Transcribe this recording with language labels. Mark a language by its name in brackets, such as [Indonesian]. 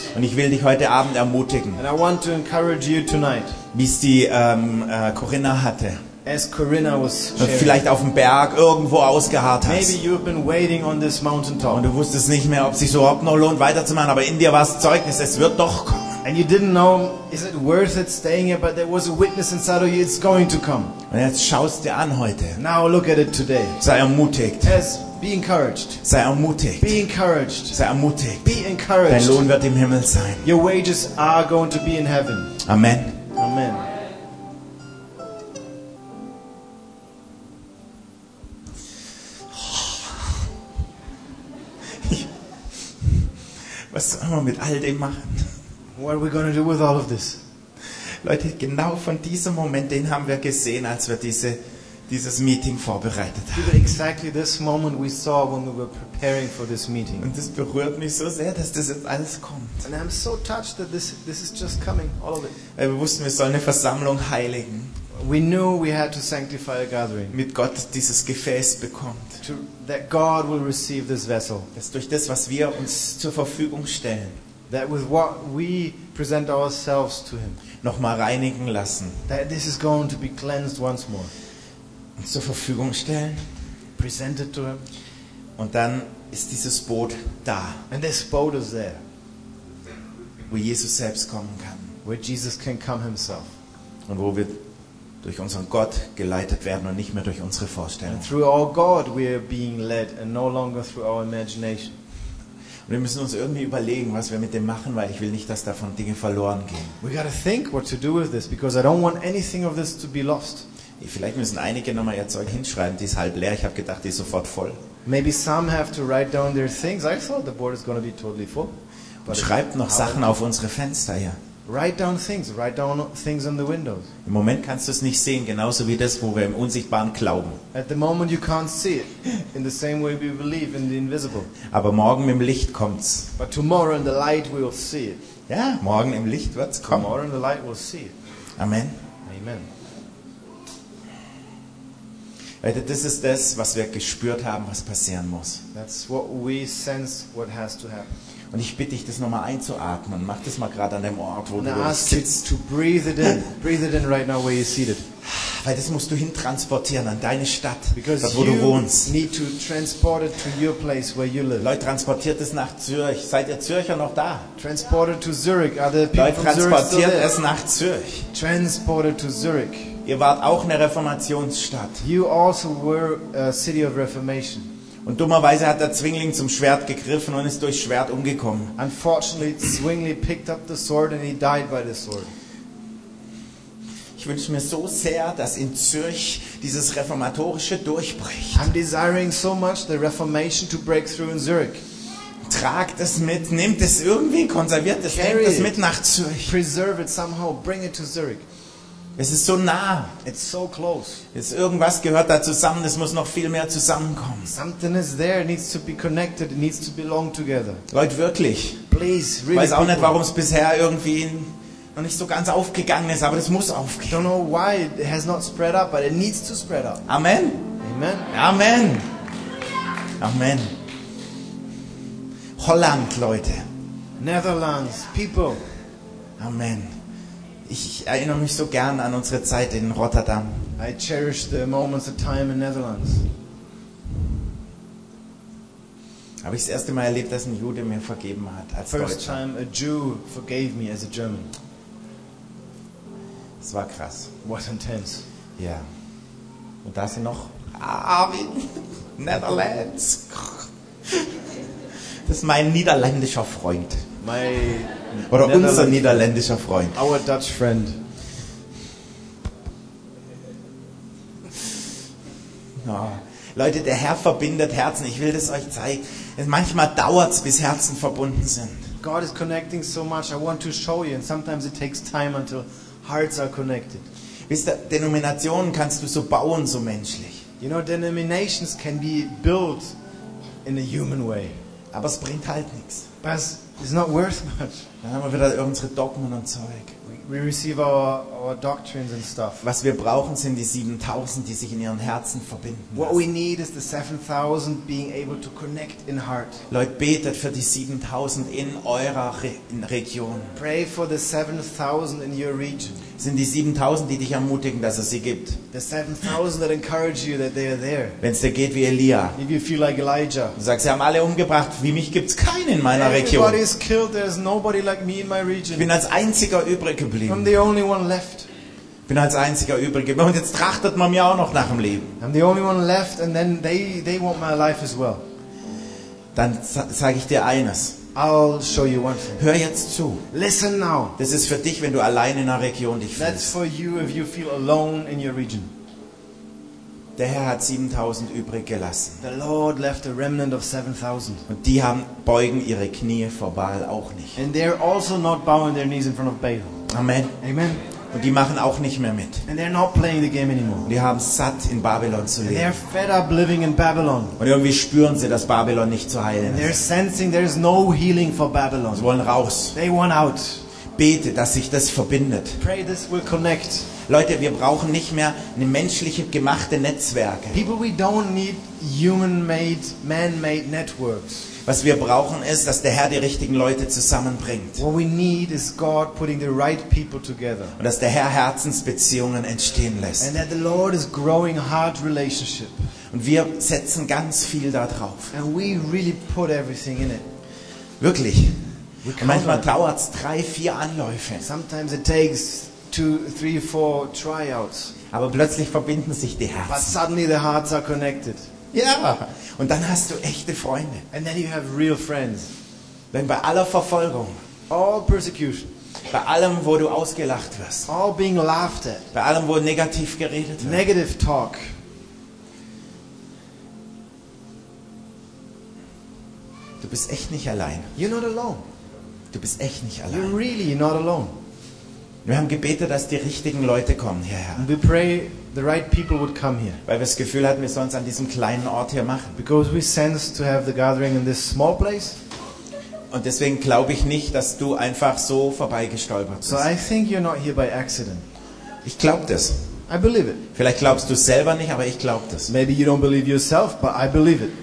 [German] Und ich will dich heute Abend ermutigen. [English] And I want to encourage you tonight. [German] Wie es die Corinna hatte. [English] As Corinna was sharing. [German] Vielleicht auf dem Berg irgendwo ausgeharrt hast. [English] Maybe you've been waiting on this mountaintop. [German] Und du wusstest nicht mehr, ob es sich überhaupt noch lohnt, weiterzumachen. Aber in dir war es Zeugnis, es wird doch kommen. [English] And you didn't know, is it worth it staying here? But there was a witness inside of you, it's going to come. [German] Und jetzt schaust du an heute. [English] Now look at it today. [German] Sei ermutigt. [English] As Be encouraged. [German] Sei ermutigt. [English] Be encouraged. [German] Sei ermutigt. [English] Be encouraged. [German] Dein Lohn wird im Himmel sein. [English] Your wages are going to be in heaven. [German] Amen. [English] Amen. [German] Was sollen wir mit all dem machen? [English] What are we going to do with all of this? [German] Leute, genau von diesem Moment, den haben wir gesehen, als wir dieses Meeting vorbereitet haben. [English] Exactly this moment we saw when we were preparing for this meeting. [German] Und das berührt mich so sehr, dass das jetzt alles kommt. [English] And I'm so touched that this is just coming, all of it. [German] Wir wussten, wir sollen eine Versammlung heiligen. [English] We knew we had to sanctify a gathering. [German] Mit Gott dieses Gefäß bekommt. [English] That God will receive this vessel. [German] Dass durch das, was wir uns zur Verfügung stellen. [English] That with what we present ourselves to him. [German] Noch mal reinigen lassen. [English] That this is going to be cleansed once more. [German] Zur Verfügung stellen. [English] Presented to him. [German] Und dann ist dieses Boot da. [English] And this boat is there. [German] Wo Jesus selbst kommen kann. [English] Where Jesus can come himself. [German] Und wo wir durch unseren Gott geleitet werden und nicht mehr durch unsere Vorstellung. [English] And through our God we are being led and no longer through our imagination. [German] Und wir müssen uns irgendwie überlegen, was wir mit dem machen, weil ich will nicht, dass davon Dinge verloren gehen. [English] We got to think what to do with this because I don't want anything of this to be lost. [German] Vielleicht müssen einige nochmal ihr Zeug hinschreiben, die ist halb leer. Ich habe gedacht, die ist sofort voll. [English] Maybe some have to write down their things. I thought the board is going to be totally full. But [German] schreibt noch Sachen auf unsere Fenster hier. [English] Write down things on the windows. [German] Im Moment kannst du es nicht sehen, genauso wie das, wo wir im Unsichtbaren glauben. [English] At the moment you can't see it, in the same way we believe in the invisible. [German] Aber morgen im Licht kommt's. [English] But tomorrow in the light we'll see it. [German] Ja, morgen im Licht wird's kommen. [English] Tomorrow in the light we'll see it. [German] Amen. [English] Amen. [German] Leute, das ist das, was wir gespürt haben, was passieren muss. [English] That's what we sense what has to happen. [German] Und ich bitte dich, das nochmal einzuatmen. Mach das mal gerade an dem Ort, wo du sitzt. [English] To breathe it in. Breathe it in right now where you're seated. [German] Weil das musst du hintransportieren an deine Stadt, [English] because [German] dort, wo du wohnst. [English] Need to transport it to your place where you live. [German] Leute, transportiert es nach Zürich. Seid ihr Zürcher noch da? [English] Transport it to Zurich. Are the people [German] Leute, transportiert [English] from Zurich [German] es nach Zürich. [English] Transport it to Zurich. [German] Ihr wart auch eine Reformationsstadt. [English] You also were a city of Reformation. [German] Und dummerweise hat der Zwingling zum Schwert gegriffen und ist durch Schwert umgekommen. [English] Unfortunately, Zwingli picked up the sword and he died by the sword. [German] Ich wünsche mir so sehr, dass in Zürich dieses Reformatorische durchbricht. [English] I'm desiring so much the Reformation to break through in Zurich. [German] Tragt es mit, nehmt es irgendwie, konserviert es, nehmt es mit nach Zürich. [English] Preserve it somehow, bring it to Zurich. [German] Es ist so nah. [English] It's so close. [German] Es irgendwas gehört da zusammen. Es muss noch viel mehr zusammenkommen. [English] Something is there. It needs to be connected. It needs to belong together. [German] Leute, wirklich. [English] Please, really. [German] Weiß auch nicht, warum es bisher irgendwie noch nicht so ganz aufgegangen ist, aber das muss aufgehen. [English] Don't know why it has not spread up, but it needs to spread up. [German] Amen. [English] Amen. [German] Amen. Amen. Holland, Leute. [English] Netherlands, people. Amen. [German] Ich erinnere mich so gern an unsere Zeit in Rotterdam. [English] I cherish the moments of time in Netherlands. [German] Habe ich das erste Mal erlebt, dass ein Jude mir vergeben hat als [English] First [German] Deutscher. [English] First time a Jew forgave me as a German. [German] Es war krass. [English] What intense. [German] Ja. Und da sind noch Netherlands. Das ist mein niederländischer Freund. [English] My [German] oder unser niederländischer Freund. [English] Our Dutch friend. [German] Ja. Leute, der Herr verbindet Herzen. Ich will das euch zeigen. Manchmal dauert es, bis Herzen verbunden sind. [English] God is connecting so much. I want to show you. And sometimes it takes time until hearts are connected. [German] Wisst ihr, Denominationen kannst du so bauen, so menschlich. [English] You know, denominations can be built in a human way. [German] Aber es bringt halt nichts. [English] But it's not worth much. [German] Dann haben wir wieder unsere Dogmen und Zeug. [English] We receive our doctrines and stuff. [German] Was wir brauchen, sind die 7000, die sich in ihren Herzen verbinden. [English] What we need is the 7000 being able to connect in heart. [German] Leute, betet für die 7000 in eurer Region. [English] Pray for the 7000 in your region. [German] Sind die 7000, die dich ermutigen, dass es sie gibt. [English] The 7000 that encourage you that they are there. [German] Wenn es dir geht wie Elia. [English] If you feel like Elijah. [German] Du sagst, sie haben alle umgebracht, wie mich gibt's keinen in meiner Region. [English] Everybody is killed, there's nobody like me in my region. [German] Ich bin als einziger übrig geblieben. [English] I'm the only one left. [German] Bin als einziger Übrige. Und jetzt trachtet man mir auch noch nach dem Leben. [English] I'm the only one left, and then they want my life as well. [German] Dann sage ich dir eines. [English] I'll show you one thing. [German] Hör jetzt zu. [English] Listen now. [German] Das ist für dich, wenn du allein in einer Region dich fühlst. [English] That's for you if you feel alone in your region. [German] Der Herr hat 7000 übrig gelassen. [English] The Lord left a remnant of 7000. [German] Und die beugen ihre Knie vor Baal auch nicht. [English] And they're also not bowing their knees in front of Baal. [German] Amen. [English] Amen. [German] Und die machen auch nicht mehr mit. [English] And they're not playing the game anymore. [German] Die haben satt, in Babylon zu leben. [English] And they're fed up living in Babylon. [German] Und irgendwie spüren sie, dass Babylon nicht zu heilen ist. [English] And they're sensing there's no healing for Babylon. [German] Sie wollen raus. [English] They want out. [German] Bete, dass sich das verbindet. [English] Pray this will connect. [German] Leute, wir brauchen nicht mehr eine menschliche gemachte Netzwerke. [English] People, we don't need human-made, man-made networks. [German] Was wir brauchen ist, dass der Herr die richtigen Leute zusammenbringt. [English] What we need is God putting the right people together. [German] Und dass der Herr Herzensbeziehungen entstehen lässt. [English] And that the Lord is growing heart relationship. [German] Und wir setzen ganz viel da drauf. [English] And we really put everything in it. [German] Wirklich. Und manchmal dauert es 3-4 Anläufe. [English] Sometimes it takes 2-3-4 tryouts. [German] Aber plötzlich verbinden sich die Herzen. [English] But suddenly the hearts are connected. [German] Ja. Und dann hast du echte Freunde. [English] And then you have real friends. [German] Wenn bei aller Verfolgung, [English] all persecution, [German] bei allem, wo du ausgelacht wirst, [English] all being laughed at, [German] bei allem, wo negativ geredet wird, [English] negative talk, [German] du bist echt nicht allein. [English] You're not alone. [German] Du bist echt nicht allein. [English] You're really not alone. [German] Wir haben gebetet, dass die richtigen Leute kommen hierher. [English] We pray the right people would come here. [German] Weil wir das Gefühl hatten, wir sollen es an diesem kleinen Ort hier machen. [English] Because we sense to have the gathering in this small place. [German] Und deswegen glaube ich nicht, dass du einfach so vorbeigestolpert bist. [English] So I think you're not here by accident. [German] Ich glaube das. [English] I believe it. [German] Vielleicht glaubst du selber nicht, aber ich glaube das. [English] Maybe you don't believe yourself, but I believe it.